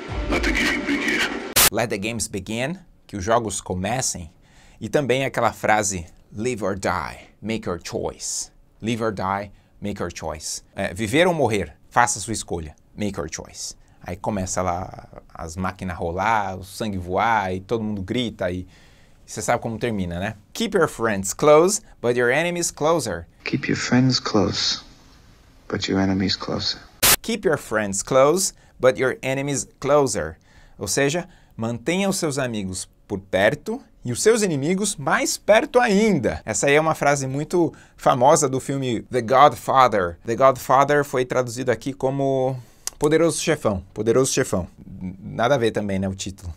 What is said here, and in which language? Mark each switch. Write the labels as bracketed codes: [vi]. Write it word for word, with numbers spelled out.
[en] Let the game begin. Let the games begin, [pt] que os jogos comecem. E também aquela frase, [en] live or die, make your choice. Live or die, make your choice. [pt] É, viver ou morrer, faça sua escolha, [en] make your choice. [pt] Aí começa lá as máquinas rolar, o sangue voar, e todo mundo grita, e você sabe como termina, né? [en] Keep your friends close, but your enemies closer. Keep your friends close, but your enemies closer. Keep your friends close, but your enemies closer. [pt] Ou seja, mantenha os seus amigos por perto e os seus inimigos mais perto ainda. Essa aí é uma frase muito famosa do filme The Godfather. The Godfather foi traduzido aqui como Poderoso Chefão. Poderoso Chefão. Nada a ver também, né, o título.